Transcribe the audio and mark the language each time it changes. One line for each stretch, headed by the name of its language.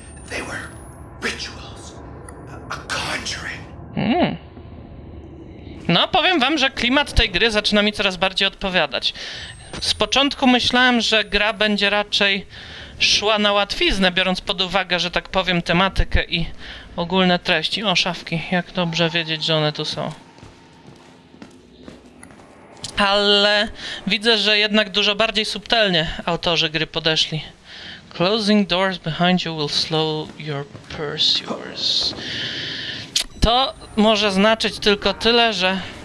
English: They were rituals, a conjuring.
Polish: No, powiem wam, że klimat tej gry zaczyna mi coraz bardziej odpowiadać. Z początku myślałem, że gra będzie raczej szła na łatwiznę, biorąc pod uwagę, że tak powiem, tematykę i ogólne treści. O, szafki, jak dobrze wiedzieć, że one tu są. Ale widzę, że jednak dużo bardziej subtelnie autorzy gry podeszli.
English: Closing doors behind you will slow your pursuers.
Polish: To może znaczyć tylko tyle, że...